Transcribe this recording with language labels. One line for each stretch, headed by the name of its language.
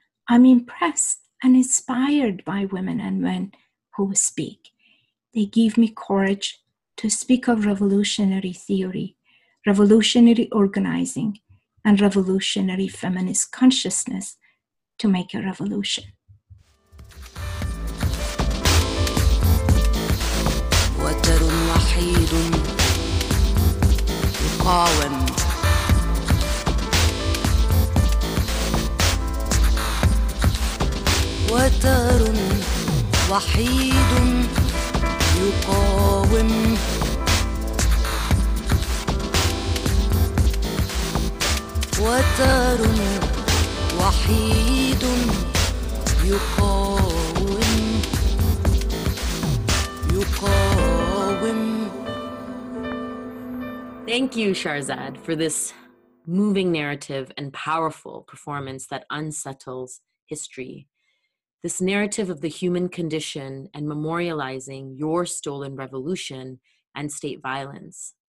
English: I'm impressed and inspired by women and men who speak. They give me courage to speak of revolutionary theory, revolutionary organizing, and revolutionary feminist consciousness to make a revolution.
Arabic: وتر وحيد يقاوم وتر وحيد يقاوم وتر وحيد يقاوم يقاوم.
English: Thank you, Shahrzad, for this moving narrative and powerful performance that unsettles history. This narrative of the human condition and memorializing your stolen revolution and state violence.